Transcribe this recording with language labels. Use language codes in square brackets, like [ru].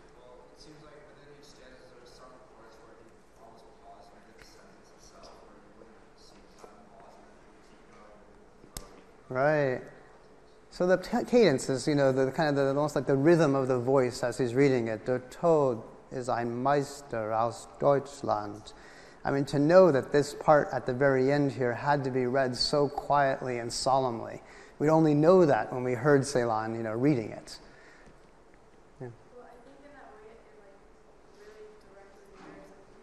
[en] Well, it seems like within each stanza, there's some parts where he almost paused within the sentence itself, where he wouldn't see time pause, and then he'd keep going. Right. So the cadence is, you know, the kind of the almost like the rhythm of the voice as he's reading it. [de] Der Tod ist ein Meister aus Deutschland. [en] I mean, to know that this part at the very end here had to be read so quietly and solemnly, we'd only know that when we heard Ceylon, you know, reading it. Yeah. Well, I think in that way it, like, really directly matters.